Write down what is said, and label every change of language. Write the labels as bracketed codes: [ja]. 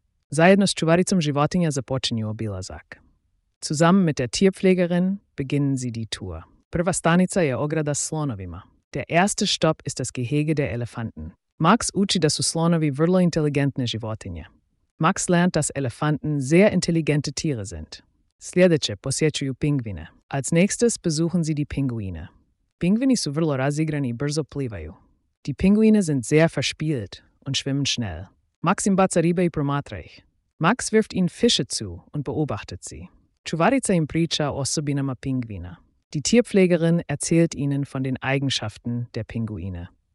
[hr] Zajedno s čuvaricom životinja započinju obilazak. [de] Zusammen mit der Tierpflegerin beginnen sie die Tour. [hr] Prva stanica je ograda s slonovima. [de] Der erste Stopp ist das Gehege der Elefanten. [hr] Max uči da su slonovi vrlo inteligentne životinje. [de] Max lernt, dass Elefanten sehr intelligente Tiere sind. [hr] Sljedeće posjećuju pingvine. [de] Als nächstes besuchen sie die Pinguine. [hr] Pinguini su vrlo razigrani i brzo plivaju. [de] Die Pinguine sind sehr verspielt und schwimmen schnell. [hr] Maxim Bazaribe i promatrajih. [de] Max wirft ihnen Fische zu und beobachtet sie. [hr] Čuvarica im priča osobinama pingvina. [de] Die Tierpflegerin erzählt ihnen von den Eigenschaften der Pinguine.